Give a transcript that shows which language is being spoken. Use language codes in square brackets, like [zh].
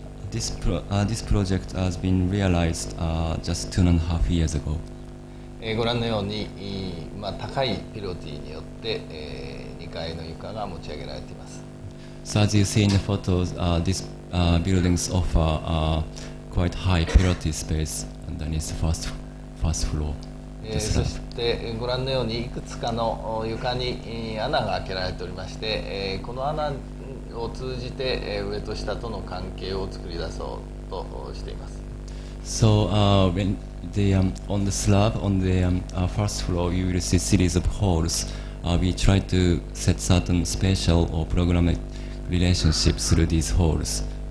[en] This project has been realized just 2.5 years ago. [ja] ご覧のように、高いピロティによって、2階の床が持ち上げられています。 [en] So as you see in the photos, this buildings offer quite high pilotis space underneath the first floor. [ja] そしてご覧のようにいくつかの床に穴が開けられておりまして、この穴を通じて上と下との関係を作り出そうとしています。 [en] So when the on the slab on the first floor, you will see series of holes. We try to set certain spatial or programmed relationship through these holes.